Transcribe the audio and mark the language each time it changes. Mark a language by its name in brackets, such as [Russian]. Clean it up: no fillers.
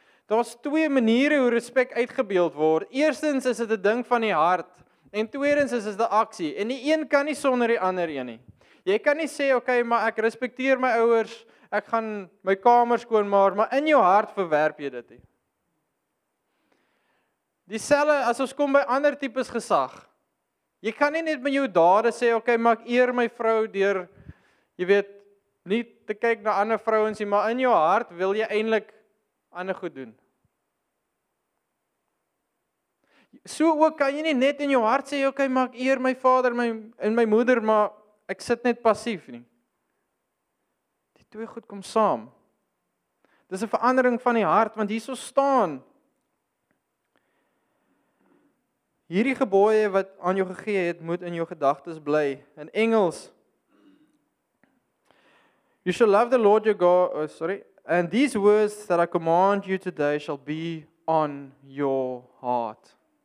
[Afrikaans] Daar's twee maniere hoe respek uitgebeeld word. Eerstens is dit 'n ding van die hart en tweedens is dit 'n aksie. En die een kan nie sonder die ander een nie. Jy kan nie sê, okay, maar ek respekteer my ouers, ek gaan my kamer skoon maak, maar in jou hart verwerp jy dit nie. Dieselfde as ons kom by ander tipes gesag. Jy kan nie net met jou dade sê, okay, maar ek eer my vrou deur, jy weet, nie te kyk na ander vrouens nie, maar in jou hart wil jy eintlik ander goed doen. So ook kan jy nie net in jou hart sê, okay, maar ek eer my vader en my moeder, maar ek sit net passief nie. Die twee goed kom saam. Dis 'n verandering van die hart, want hierso staan. Hierdie gebooie wat aan jou gegee het, moet in jou gedagtes bly. In Engels, [English] you shall love the Lord your God, and these words that I command you today shall be on your heart.